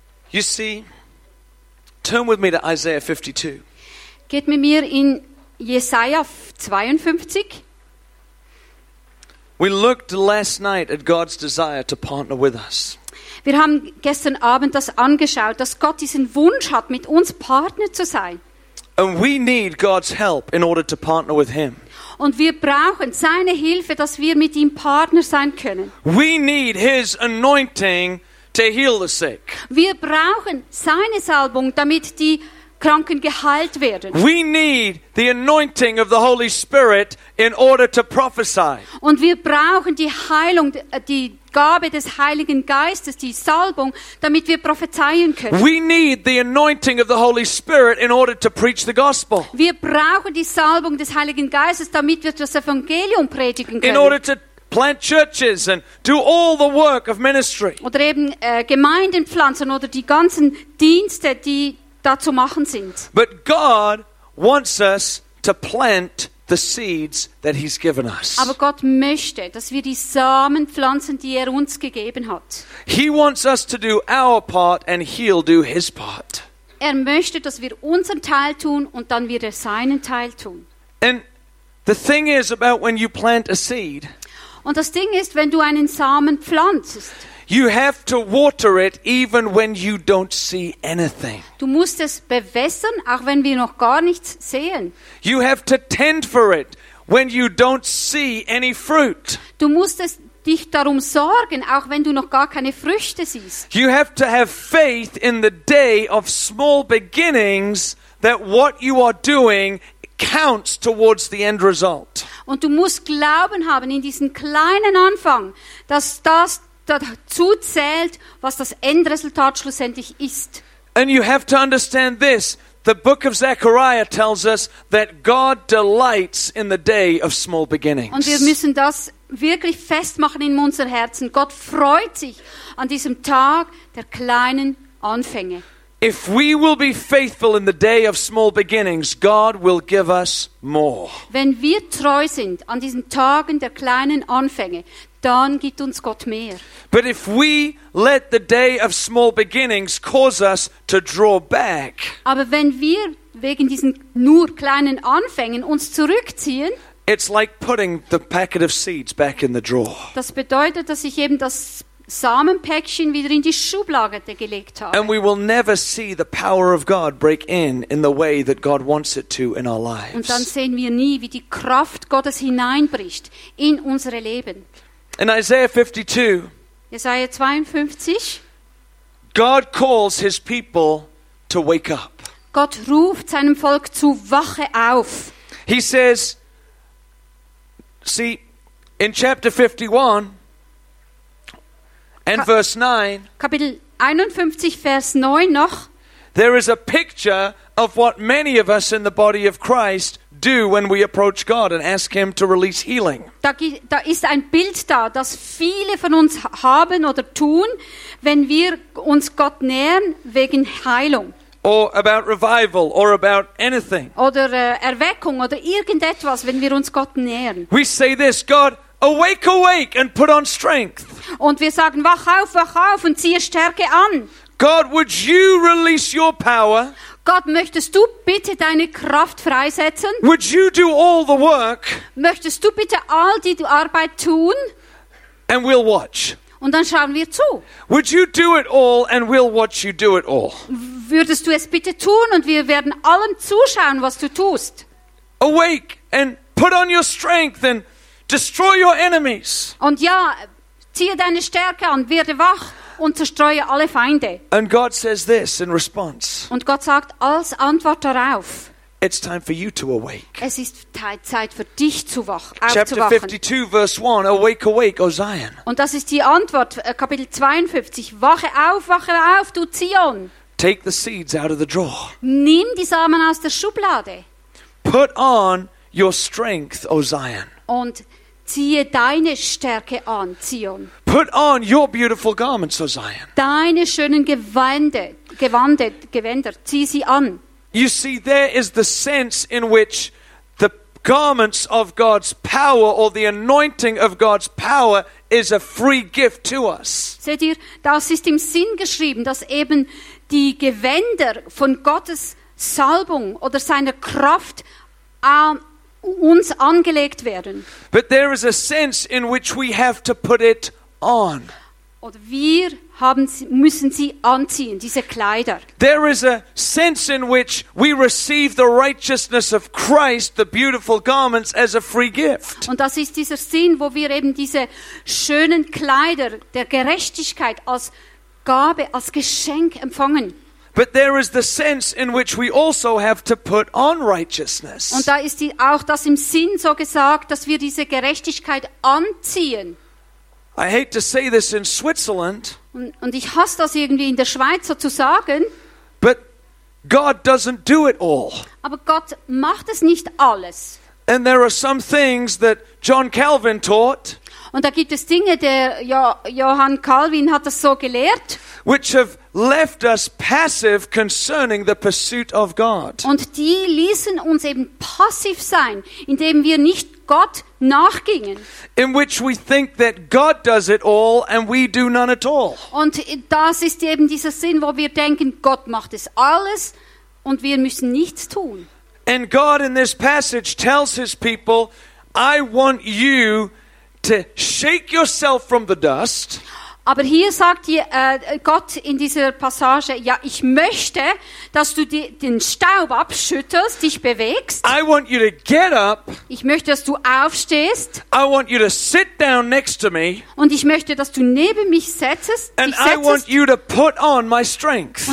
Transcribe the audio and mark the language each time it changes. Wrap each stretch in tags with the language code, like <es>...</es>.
<en>You see, turn with me to Isaiah 52.</en> <de>Geht mit mir in Jesaja 52.</de> <en>We looked last night at God's desire to partner with us.</en> <de>Wir haben gestern Abend das angeschaut, dass Gott diesen Wunsch hat, mit uns Partner zu sein.</de> <en>And we need God's help in order to partner with him.</en> <de>Und wir brauchen seine Hilfe, dass wir mit ihm Partner sein können.</de> <en>We need his anointing to heal the sick.</en> <de>Wir brauchen seine Salbung, damit die Kranken geheilt werden.</de> <en>We need the anointing of the Holy Spirit in order to prophesy.</en> <de>Und wir brauchen die Heilung, die Gabe des Heiligen Geistes, die Salbung, damit wir prophezeien können.</de> <en>We need the anointing of the Holy Spirit in order to preach the gospel.</en> <de>Wir brauchen die Salbung des Heiligen Geistes, damit wir das Evangelium predigen können.</de> <en>In order to plant churches and do all the work of ministry.</en> <de>Oder eben Gemeinden pflanzen oder die ganzen Dienste, die dazu machen sind.</de> <en>But God wants us to plant the seeds that he's given us.</en> <de>Aber Gott möchte, dass wir die Samen pflanzen, die uns gegeben hat.</de> <en>He wants us to do our part and he'll do his part.</en> <de>Möchte, dass wir unseren Teil tun und dann wird seinen Teil tun.</de> <en>And the thing is about when you plant a seed.</en> <de>Und das Ding ist, wenn du einen Samen pflanzt,</de> <en>you have to water it even when you don't see anything.</en> <de>Du musst es bewässern, auch wenn wir noch gar nichts sehen.</de> <en>You have to tend for it when you don't see any fruit.</en> <de>Du musst es dich darum sorgen, auch wenn du noch gar keine Früchte siehst.</de> <en>You have to have faith in the day of small beginnings that what you are doing counts towards the end result.</en> <de>Und du musst Glauben haben in diesen kleinen Anfang, dass das dazu zählt, was das Endresultat schlussendlich ist.</de> <en>And you have to understand this. The book of Zechariah tells us that God delights in the day of small beginnings.</en> <de>Und wir müssen das wirklich festmachen in unser Herzen. Gott freut sich an diesem Tag der kleinen Anfänge.</de> <en>If we will be faithful in the day of small beginnings, God will give us more.</en> <de>Wenn wir treu sind an diesen Tagen der kleinen Anfänge, dann gibt uns Gott mehr.</de> <en>But if we let the day of small beginnings cause us to draw back,</en> <de>aber wenn wir wegen diesen nur kleinen Anfängen uns zurückziehen,</de> <en>it's like putting the packet of seeds back in the drawer.</en> <de>Das bedeutet, dass ich eben das Samenpäckchen wieder in die Schublade gelegt habe.</de> <en>And we will never see the power of God break in the way that God wants it to in our lives.</en> <de>Und dann sehen wir nie, wie die Kraft Gottes hineinbricht in unsere Leben.</de> <en>In Isaiah 52,</en> <de>Jesaja 52,</de> <en>God calls his people to wake up.</en> <de>Gott ruft seinem Volk zu Wache auf.</de> <en>He says, see, in chapter 51 and verse 9,</en> <de>Kapitel 51, Vers 9 noch,</de> <en>There is a picture of what many of us in the body of Christ do when we approach God and ask Him to release healing.</en> <de>Da ist ein Bild da, das viele von uns haben oder tun, wenn wir uns Gott nähern wegen Heilung.</de> <en>Or about revival, or about anything.</en> <de>Oder Erweckung oder irgendetwas, wenn wir uns Gott nähern.</de> <en>We say this, God, awake, awake, and put on strength.</en> <de>Und wir sagen, wach auf und ziehe Stärke an.</de> <en>God, would you release your power?</en> <de>Gott, möchtest du bitte deine Kraft freisetzen?</de> <en>Would you do all the work?</en> <de>Möchtest du bitte all die Arbeit tun?</de> <en>And we'll watch.</en> <de>Und dann schauen wir zu.</de> <en>Would you do it all and we'll watch you do it all?</en> <de>Würdest du es bitte tun und wir werden allem zuschauen, was du tust?</de> <en>Awake and put on your strength and destroy your enemies.</en> <de>Und ja, ziehe deine Stärke an, werde wach und zerstreue alle Feinde.</de> <en>And God says this in response.</en> <de>Und Gott sagt als Antwort darauf.</de> <en>It's time for you to awake.</en> <de>Es ist Zeit für dich zu wach, aufzuwachen.</de> <en>Chapter 52, verse 1, awake, awake, O Zion.</en> <de>Und das ist die Antwort, Kapitel 52, wache auf, du Zion.</de> <en>Take the seeds out of the drawer.</en> <de>Nimm die Samen aus der Schublade.</de> <en>Put on your strength, O Zion.</en> <de>Und ziehe deine Stärke an, Zion.</de> <en>Put on your beautiful garments, O Zion.</en> <de>Deine schönen Gewänder, zieh sie an.</de> <en>You see, there is the sense in which the garments of God's power or the anointing of God's power is a free gift to us.</en> <de>Seht ihr, das ist im Sinn geschrieben, dass eben die Gewänder von Gottes Salbung oder seiner Kraft uns angelegt werden.</de> <en>But there is a sense in which we have to put it on.</en> <de>Oder wir müssen sie anziehen, diese Kleider.</de> <en>There is a sense in which we receive the righteousness of Christ, the beautiful garments, as a free gift.</en> <de>Und das ist dieser Sinn, wo wir eben diese schönen Kleider der Gerechtigkeit als Gabe, als Geschenk empfangen.</de> <en>But there is the sense in which we also have to put on righteousness.</en> <de>Und da ist auch das im Sinn so gesagt, dass wir diese Gerechtigkeit anziehen.</de> <en>I hate to say this in Switzerland.</en> <de>Und ich hasse das irgendwie in der Schweiz so zu sagen.</de> <en>But God doesn't do it all.</en> <de>Aber Gott macht es nicht alles.</de> <en>And there are some things that John Calvin taught.</en> <de>Und da gibt es Dinge, der Johann Calvin hat das so gelehrt.</de> <en>Which have left us passive concerning the pursuit of God.</en> <de>Und die ließen uns eben passiv sein, indem wir nicht Gott nachgingen.</de> <en>In which we think that God does it all and we do none at all.</en> <de>Und das ist eben dieser Sinn, wo wir denken, Gott macht es alles und wir müssen nichts tun.</de> <en>And God in this passage tells his people, I want you to shake yourself from the dust.</en> <de>Aber hier sagt Gott in dieser Passage, ja, ich möchte, dass du den Staub abschüttelst, dich bewegst.</de> <en>I want you to get up.</en> <de>Ich möchte, dass du aufstehst.</de> <en>I want you to sit down next to me.</en> <de>Und ich möchte, dass du neben mich setzt.</de> <en>And I want you to put on my strength.</en>